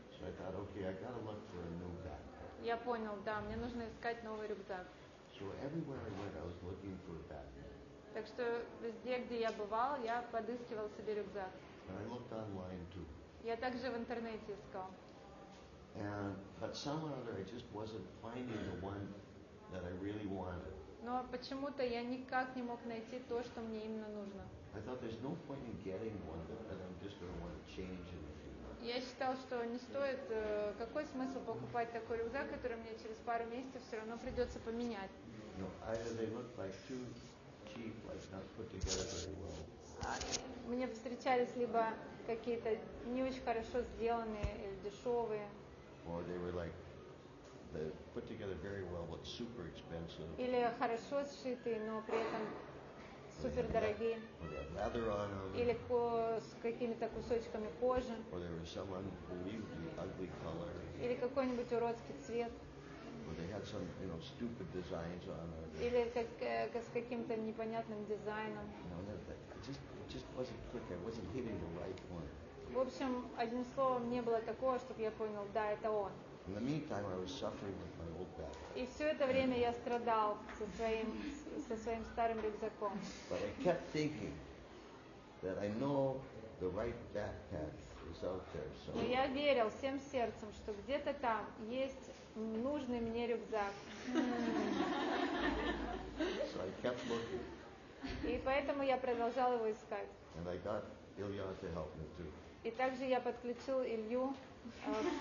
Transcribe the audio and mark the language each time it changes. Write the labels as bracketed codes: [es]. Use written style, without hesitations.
[en] So I thought, okay, I gotta look for a new backpack. [ru] Я понял, да, мне нужно искать новый рюкзак. [en] So everywhere I went, I was looking for a backpack. [ru] Так что везде, где я бывал, я подыскивал себе рюкзак. [en] And I looked online too. [ru] Я также в интернете искал. [en] But somehow or other, I just wasn't finding the one that I really wanted. [ru] Но почему-то я никак не мог найти то, что мне именно нужно. [en] I thought there's no point in getting one that I'm just going to want to change in a few months. [ru] Я считал, что не стоит какой смысл покупать такой рюкзак, который мне через пару месяцев все равно придется поменять. [en] No, either they look like too cheap, like not put together very well. [ru] Мне встречались либо какие-то не очень хорошо сделанные или дешевые. [en] Or they were like they put together very well, but super expensive. [ru] Или хорошо сшитые, но при этом супер дорогие. [en] Or they had leather on them. [ru] Или с какими-то кусочками кожи. [en] Or they were some unbelievably ugly color. [ru] Или какой-нибудь уродский цвет. [en] Or they had some, you know, stupid designs on them. [ru] Или с каким-то непонятным дизайном. [en] No, it just wasn't clicking. I wasn't hitting the right one. [ru] В общем, одним словом, не было такого, чтобы я понял, да, это он. [en] In the meantime, I was suffering with my old backpack. [ru] И все это время я страдал со своим старым рюкзаком. [en] But I kept thinking that I know the right backpack is out there. So. [ru] Но я верил всем сердцем, что где-то там есть нужный мне рюкзак. [en] So I kept looking. [ru] И поэтому я продолжал его искать. [en] And I got Ilya to help me too. [ru] И также я подключил Илью в